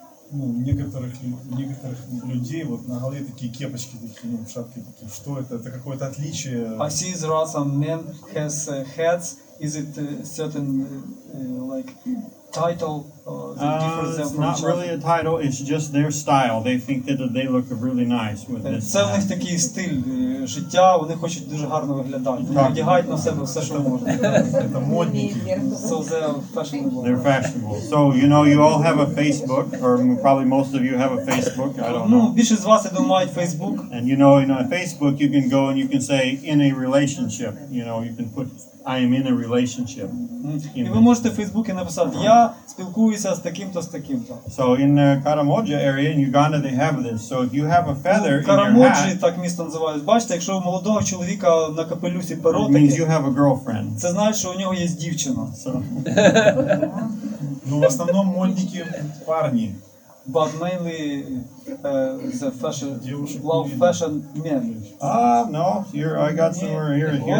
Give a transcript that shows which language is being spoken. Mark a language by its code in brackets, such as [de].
[ru] Ну, некоторых людей вот на голове такие кепочки такие, ну, шапки такие. Что это какое-то отличие? [en] I see there are some men has hats. Is it certain like title? It's not really a title. It's just their style. They think that they look really nice with this. [uk] Це в них такий стиль життя. Вони хочуть дуже гарно виглядати. Вони одягають на себе все, що можна. Це модники. [en] So they're fashionable. They're fashionable. So you know, you all have a Facebook, or probably most of you have a Facebook. I don't know. [uk] Ну, більшість з вас, я думаю, мають Facebook. [en] And you know, in a Facebook, you can go and you can say in a relationship. You know, you can put I am in a relationship. [uk] І ви можете в Фейсбуці написати, я спілкуюся з таким-то, з таким-то. [en] So in the Karamoja area in Uganda they have this. So if you have a feather in Karamoji, your hat. [uk] Так місто називають. Бачите, якщо у молодого чоловіка на капелюсі перо таке. [en] Means you have a girlfriend. [uk] Це значить, що у нього є дівчина. [en] So. [uk] Ну, в основному модники парні. [en] But mainly the fashion, [ru] девушек [en] love fashion men. Ah, no, here, I got somewhere here.